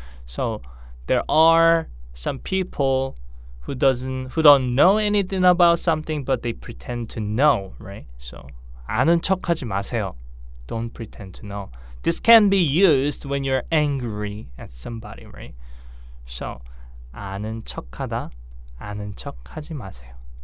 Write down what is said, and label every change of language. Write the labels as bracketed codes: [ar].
[en] So there are some people who don't know anything about something, but they pretend to know, right? [ko] So 아는 척하지 마세요. [en] Don't pretend to know. This can be used when you're angry at somebody, right? [ko] So 아는 척하다, 아는 척하지 마세요.